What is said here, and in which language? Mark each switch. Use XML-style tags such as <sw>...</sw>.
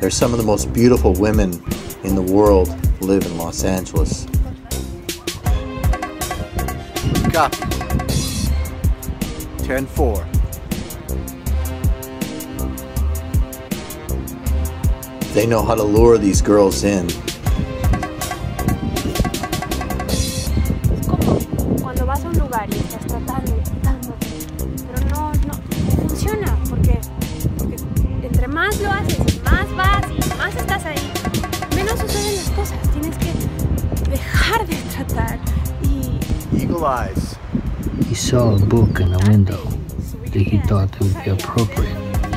<en>There's some of the most beautiful women in the world live in Los Angeles. Copy. 10-4. They know how to lure these girls in.</en> <es>Como cuando vas a un lugar y estás tratando, pero no funciona porque entre más lo haces, más vas y más estás ahí, menos suceden las cosas. Tienes que dejar de tratar y</es> <en>Eagle eyes. He saw a book in the window that he thought it would be appropriate.</en>